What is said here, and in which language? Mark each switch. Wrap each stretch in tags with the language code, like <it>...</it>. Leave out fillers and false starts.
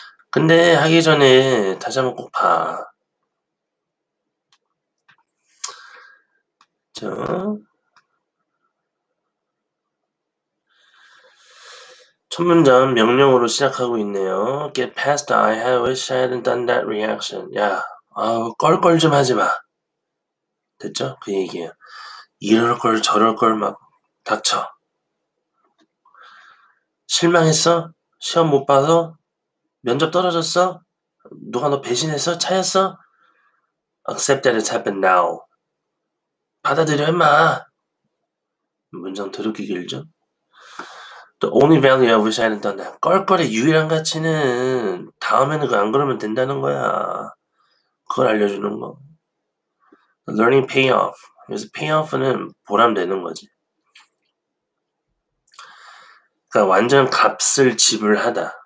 <ko>근데 하기 전에 다시 한번 꼭 봐. 자. 첫 문장 명령으로 시작하고 있네요.</ko> <en>Get past the I have, wish I hadn't done that reaction.</en> <ko>야, 아우, 껄껄 좀 하지 마. 됐죠? 그 얘기예요. 이럴 걸 저럴 걸막 닥쳐. 실망했어? 시험 못 봐서? 면접 떨어졌어? 누가 너 배신했어? 차였어?</ko> <en>Accept that it's happened now.</en> <ko>받아들여, 임마. 문장 더럽게 길죠?</ko> <en>The only value I wish I hadn't done that.</en> <ko>껄껄의 유일한 가치는 다음에는 안 그러면 된다는 거야. 그걸 알려주는 거.</ko> <en>Learning payoff.</en> <ko>그래서 payoff는 보람되는 거지. 그러니까 완전 값을 지불하다.</ko>